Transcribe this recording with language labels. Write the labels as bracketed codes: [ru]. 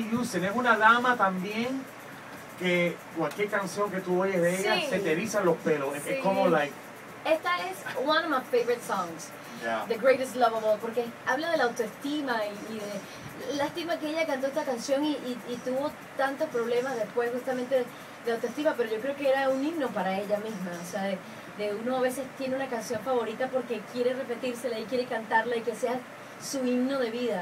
[es] Tienes una dama también que cualquier canción que tú oyes de ella, sí, se te erizan los pelos. Sí. Es como like... Esta es [en] one of my favorite songs. Yeah. The Greatest Love of All. [es] Porque habla de la autoestima y de... Lástima que ella cantó esta canción y tuvo tantos problemas después justamente de autoestima. Pero yo creo que era un himno para ella misma. O sea, de uno a veces tiene una canción favorita porque quiere repetírsela y quiere cantarla y que sea su himno de vida.